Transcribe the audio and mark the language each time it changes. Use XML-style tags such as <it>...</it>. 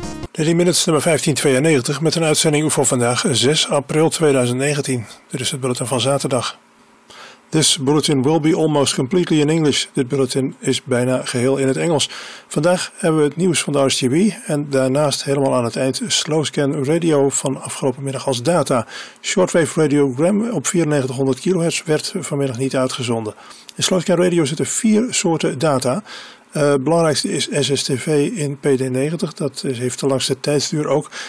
<nl>3 minutes nummer 1592 met een uitzending voor vandaag 6 april 2019. Dit is het bulletin van zaterdag.</nl> <en>This bulletin will be almost completely in English.</en> <nl>Dit bulletin is bijna geheel in het Engels. Vandaag hebben we het nieuws van de RSTB en daarnaast helemaal aan het eind slow scan radio van afgelopen middag als data. Shortwave radiogram op 9400 kHz werd vanmiddag niet uitgezonden. In slow scan radio zitten 4 soorten data. Belangrijkste is SSTV in PD90, dat heeft de langste tijdsduur ook.</nl>